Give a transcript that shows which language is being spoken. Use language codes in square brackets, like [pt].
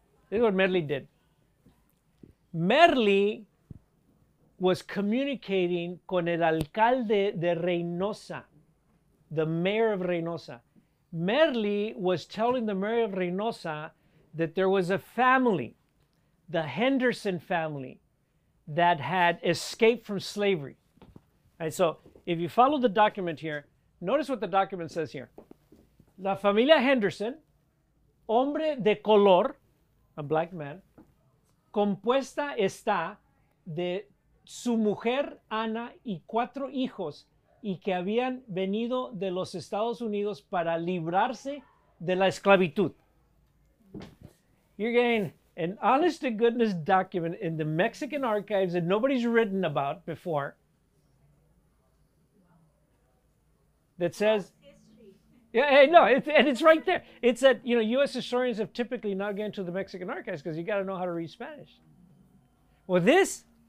[en] This is what Merli did. Merli was communicating [es] con el alcalde de Reynosa, [en] the mayor of Reynosa. Merli was telling the mayor of Reynosa that there was a family, the Henderson family, that had escaped from slavery. And so if you follow the document here, notice what the document says here. [es] La familia Henderson, hombre de color, [en] a black man, [es] compuesta está de su mujer, Ana, y cuatro hijos, y que habían venido de los Estados Unidos para librarse de la esclavitud. [en] You're getting an honest-to-goodness document in the Mexican archives that nobody's written about before that says... Yeah, hey, no, and it's right there. It said, you know, U.S. historians have typically not gotten to the Mexican archives because you got to know how to read Spanish. Well, this...